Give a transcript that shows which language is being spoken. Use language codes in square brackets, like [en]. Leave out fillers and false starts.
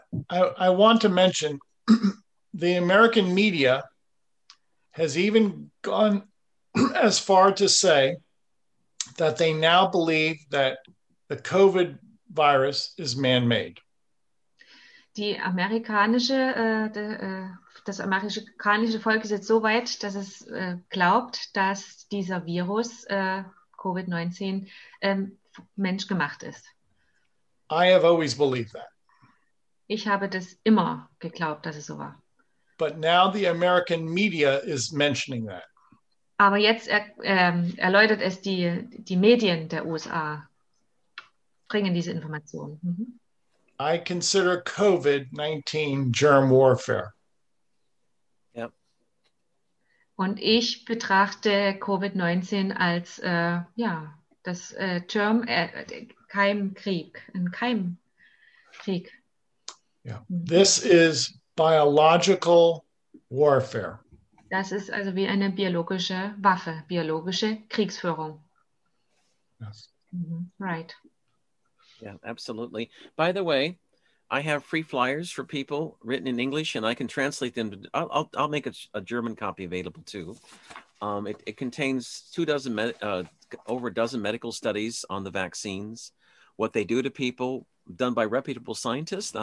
[en] I want to mention, the American media has even gone as far to say that they now believe that the COVID virus is man-made. [de] Das amerikanische Volk ist jetzt so weit, dass es glaubt, dass dieser Virus COVID-19 menschgemacht ist. [en] I have always believed that. [de] Ich habe das immer geglaubt, dass es so war. [en] But now the American media is mentioning that. [de] Aber jetzt erläutert es die Medien der USA, bringen diese Informationen. Mhm. [en] I consider COVID-19 germ warfare. Yep. [de] Und ich betrachte COVID-19 als das Term, Keimkrieg, ein Keimkrieg. [en] Yeah. This is biological warfare. [de] Das ist also wie eine biologische Waffe, biologische Kriegsführung. [en] Yes. Mm-hmm. Right. Yeah, absolutely. By the way, I have free flyers for people written in English, and I can translate them. I'll make a German copy available too. It contains over a dozen medical studies on the vaccines, what they do to people, done by reputable scientists.